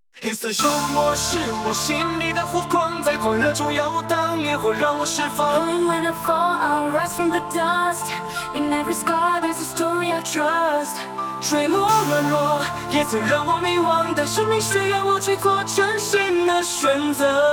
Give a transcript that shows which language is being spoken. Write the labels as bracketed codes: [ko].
[zh] 一次生活是我心里的火光，再狂热中摇荡也会让我释放。 [en] When I fall I'll rise from the dust, in every scar there's a story I trust。 [zh] 坠落软弱也曾让我迷惘，但生命需要我去做真心的选择。